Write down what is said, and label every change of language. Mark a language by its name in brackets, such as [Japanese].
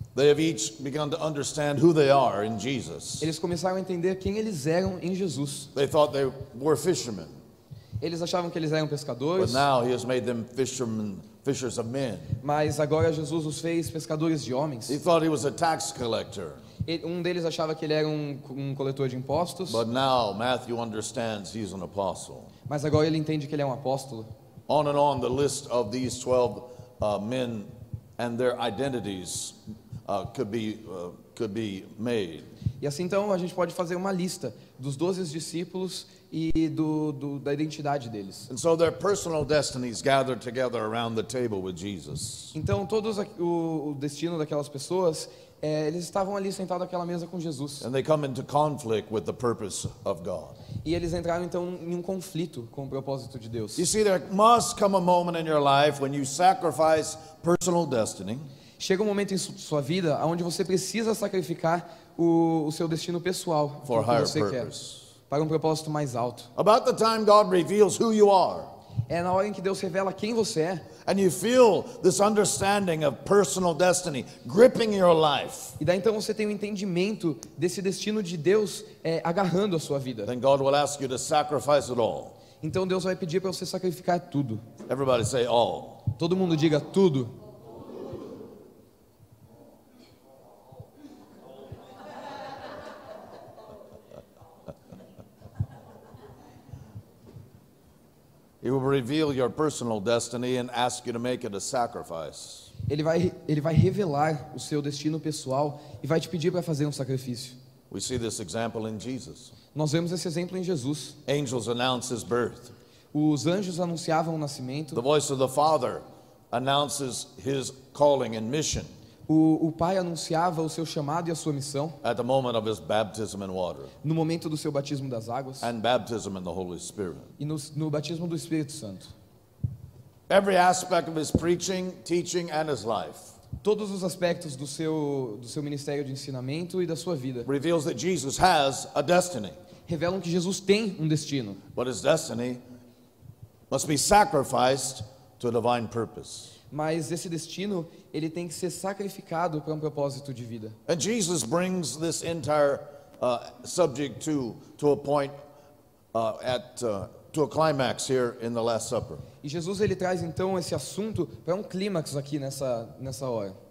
[English] They have each begun to understand who they are in Jesus. [Portuguese] Eles começaram a entender quem eles eram em Jesus. [English] They thought they were fishermen. [Portuguese] Eles achavam que eles eram pescadores. [English] But now he has made them fishermen fishers of men. [Portuguese] Mas agora Jesus os fez pescadores de homens. [English] He thought he was a tax collector. [Portuguese] Um deles achava que ele era um coletor de impostos. [English] But now Matthew understands he's an apostle. [Portuguese] Mas agora ele entende que ele é um apóstolo. [English] On and on the list of these 12 men and their identities could be made. [Portuguese] E assim então a gente pode fazer uma lista dos 12 discípulos e da identidade deles. [English] And so their personal destinies gathered together around the table with Jesus. [Portuguese] Então todos o destino daquelas pessoas, eles estavam ali sentados àquela mesa com Jesus. [English] And they come into conflict with the purpose of God. [Portuguese] E eles entraram então em um conflito com o propósito de Deus. [English] You see, there must come a moment in your life when you sacrifice personal destiny. [Portuguese] Chega um momento em sua vida onde você precisa sacrificar o seu destino pessoal [English] for [Portuguese] que você [English] higher [Portuguese] quer, [English] purpose. [Portuguese] Para um propósito mais alto. [English] About the time God reveals who you are. [Portuguese] É na hora em que Deus revela quem você é. [English] And you feel this understanding of personal destiny gripping your life. [Portuguese] E daí então você tem um entendimento desse destino de Deus agarrando a sua vida. [English] Then God will ask you to sacrifice it all. [Portuguese] Então Deus vai pedir para você sacrificar tudo. [English] Everybody say all. [Portuguese] Todo mundo diga tudo. [English] He will reveal your personal destiny and ask you to make it a sacrifice. [Portuguese] Ele vai revelar o seu destino pessoal e vai te pedir para fazer um sacrifício. [English] We see this example in Jesus. [Portuguese] Nós vemos esse exemplo em Jesus. [English] Angels announce his birth. [Portuguese] Os anjos anunciavam o nascimento. [English] The voice of the Father announces his calling and mission. [Portuguese] O Pai anunciava o seu chamado e a sua missão. [English] At the moment of his baptism in water. [Portuguese] No momento do seu batismo das águas. [English] And baptism in the Holy Spirit. [Portuguese] E no batismo do Espírito Santo. [English] Every aspect of his preaching, teaching and his life. [Portuguese] Todos os aspectos do seu ministério de ensinamento e da sua vida. [English] Reveals that Jesus has a destiny. [Portuguese] Revelam que Jesus tem um destino. [English] But his destiny must be sacrificed to a divine purpose. [Portuguese] Mas esse destino, ele tem que ser sacrificado para um propósito de vida. [English] And Jesus brings this entire subject to a point to a climax here in the Last Supper. [Portuguese] E Jesus ele traz então esse assunto para um clímax aqui nessa hora.